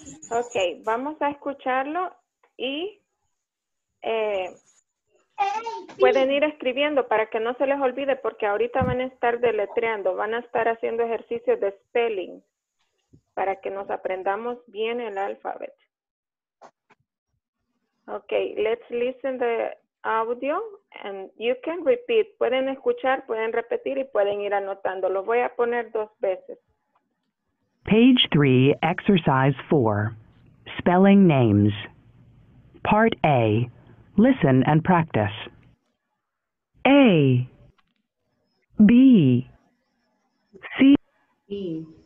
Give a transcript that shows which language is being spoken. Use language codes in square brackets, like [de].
[es] Ok, vamos a escucharlo y pueden ir escribiendo para que no se les olvide porque ahorita van a estar deletreando, van a estar haciendo ejercicios de spelling para que nos aprendamos bien el alfabet. [en] Ok, let's listen the audio and you can repeat. [es] Pueden escuchar, pueden repetir y pueden ir anotando. Lo voy a poner dos veces. [en] Page 3, exercise 4. Spelling names. Part A. Listen and practice. A. B. C.